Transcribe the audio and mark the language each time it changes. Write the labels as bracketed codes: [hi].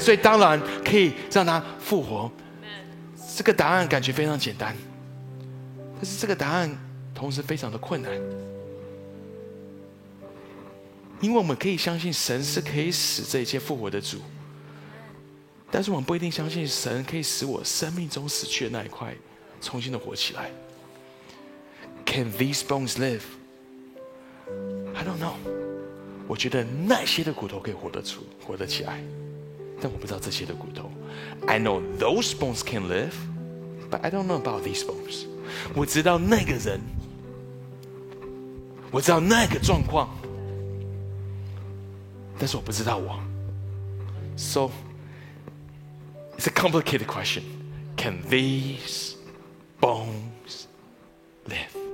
[zh] 所以当然可以让他复活。这个答案感觉非常简单，但是这个答案同时非常的困难，因为我们可以相信神是可以使这一切复活的主，但是我们不一定相信神可以使我生命中死去的那一块重新的活起来。 [en] Can these bones live? I don't know. [zh] 我觉得那些的骨头可以活得出，活得起来，但我不知道这些的骨头。 [en] I know those bones can live, but I don't know about these bones. [zh] 我知道那个人，我知道那个状况，但是我不知道我。 [en] So, it's a complicated question. Can these bones live?